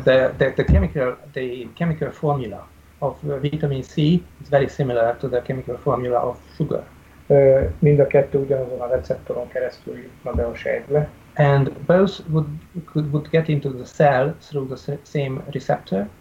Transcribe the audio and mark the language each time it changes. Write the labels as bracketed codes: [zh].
[en] The chemical formula of vitamin C is very similar to the chemical formula of sugar. [hu] Mind a kettő ugyanazon a receptoron keresztül jutna be a sejtbe. [en] And both would get into the cell through the same receptor.